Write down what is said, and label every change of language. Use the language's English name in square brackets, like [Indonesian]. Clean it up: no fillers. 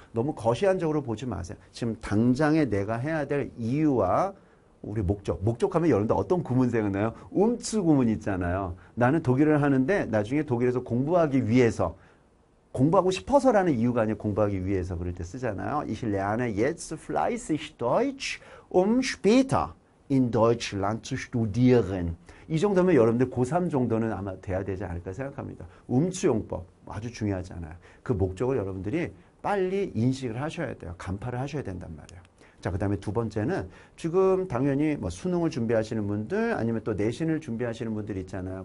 [Korean] 너무 거시안적으로 보지 마세요. 지금 당장에 내가 해야 될 이유와 우리 목적. 목적하면 여러분들 어떤 구문 생각나요? 움츠 구문 있잖아요. 나는 독일을 하는데 나중에 독일에서 공부하기 위해서 공부하고 싶어서라는 이유가 아니라 공부하기 위해서 그럴 때 쓰잖아요. [German] Ich lerne jetzt fleißig Deutsch, später in Deutschland zu studieren. [Korean] 이 정도면 여러분들 고3 정도는 아마 돼야 되지 않을까 생각합니다. 움츠용법 아주 중요하잖아요. 그 목적을 여러분들이 빨리 인식을 하셔야 돼요. 간파를 하셔야 된단 말이에요. 자, 그다음에 두 번째는 지금 당연히 뭐 수능을 준비하시는 분들 아니면 또 내신을 준비하시는 분들 있잖아요.